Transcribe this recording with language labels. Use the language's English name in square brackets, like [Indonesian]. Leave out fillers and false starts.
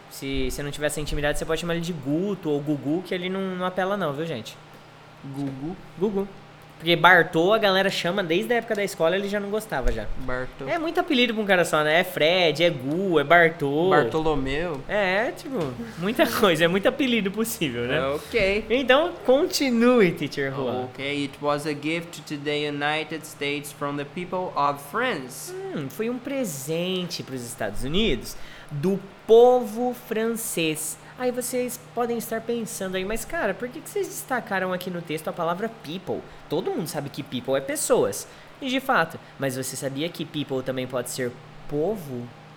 [Portuguese] Se você não tiver essa intimidade, você pode chamar ele de Guto ou Gugu, que ele não apela não, viu gente? Gugu? Gugu. Porque Bartô a galera chama desde a época da escola, ele já não gostava já. Bartô. É muito apelido pra um cara só, né? É Fred, é Gu, é Bartô. Bartolomeu. É, tipo, muita coisa, é muito apelido possível, né? Ok. Então, continue, Teacher Juan. [English] Ok, it was a gift to the United States from the people of France. [Portuguese] Foi um presente pros Estados Unidos do povo francês. Aí vocês podem estar pensando aí, mas cara, por que vocês destacaram aqui no texto a palavra people? Todo mundo sabe que people é pessoas. E de fato, mas você sabia que people também pode ser povo?